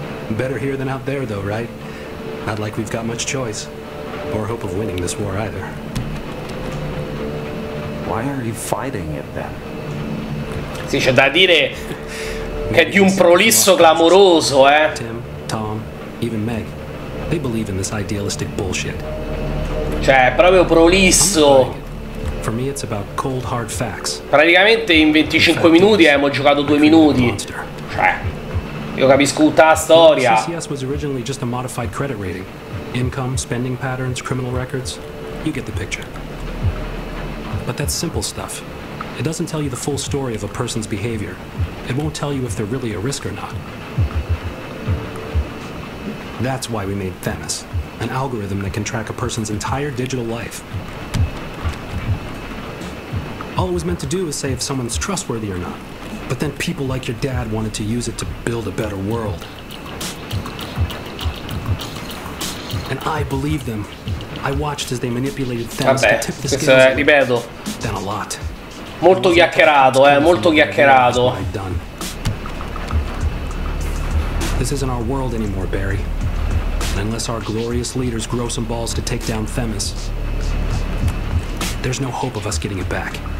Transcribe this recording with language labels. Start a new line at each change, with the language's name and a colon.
English: Better here than out there though, right? Not like we've got much choice. Or hope of winning this war either. Why are you fighting it then?
Italian: Sì, c'è da dire che è di un prolisso clamoroso, eh.
English: Tim, Tom, even Meg. They believe in this idealistic bullshit.
Italian: Cioè, è proprio prolisso.
English: For me it's about cold hard facts.
Italian: Praticamente in 25 minuti abbiamo giocato 2 minuti. Cioè, io capisco tutta la storia.
English: CCS was originally just a modified credit rating. Income, spending patterns, criminal records. You get the picture. But that's simple stuff. It doesn't tell you the full story of a person's behavior. It won't tell you if they're really a risk or not. That's why we made Themis, an algorithm that can track a person's entire digital life. All it was meant to do is say if someone's trustworthy or not. But then people like your dad wanted to use it to build a better world. And I believed them. I watched as they manipulated Themis to tip the scales.
Italian: Vabbè, questo ripeto.
English: Then a lot.
Italian: Molto chiacchierato, molto chiacchierato.
English: This isn't our world anymore, Barry. Unless our glorious leaders grow some balls to take down Themis, there's no hope of us getting it back.